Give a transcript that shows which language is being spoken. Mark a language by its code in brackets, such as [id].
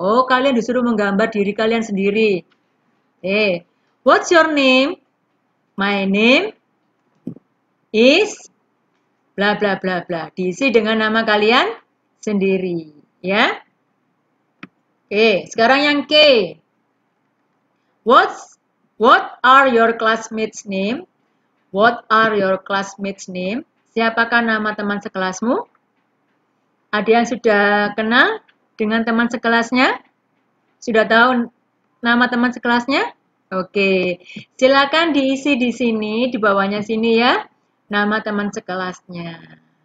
[id] Oh, kalian disuruh menggambar diri kalian sendiri. [en] Hey, what's your name? My name is bla bla bla bla. [id] Diisi dengan nama kalian sendiri, ya. Oke, sekarang yang K. [en] What are your classmates' name? What are your classmates' name? [id] Siapakah nama teman sekelasmu? Ada yang sudah kenal dengan teman sekelasnya? Sudah tahu nama teman sekelasnya? Oke, silakan diisi di sini, di bawahnya sini ya, nama teman sekelasnya.